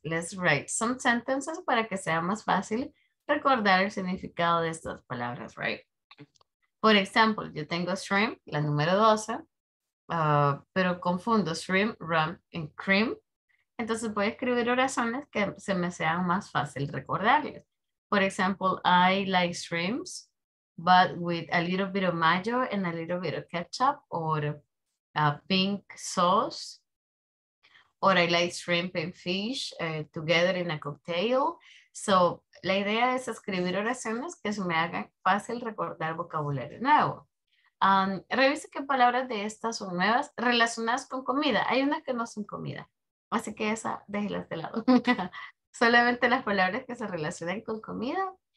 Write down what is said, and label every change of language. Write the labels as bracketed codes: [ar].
[en] Let's write some sentences [es] para que sea más fácil recordar el significado de estas palabras, right? [en] For example, [es] yo tengo shrimp, la número 12, pero confundo shrimp, rum, and cream. Entonces voy a escribir oraciones que se me sean más fácil recordarles. [en] For example, I like shrimps, but with a little bit of mayo and a little bit of ketchup or pink sauce. Or I like shrimp and fish together in a cocktail. [es] So la idea es escribir oraciones que se me hagan fácil recordar vocabulario nuevo. Revise qué palabras de estas son nuevas relacionadas con comida. Hay unas que no son comida. Así que esa, déjela de lado. Solamente las palabras que se relacionan con comida.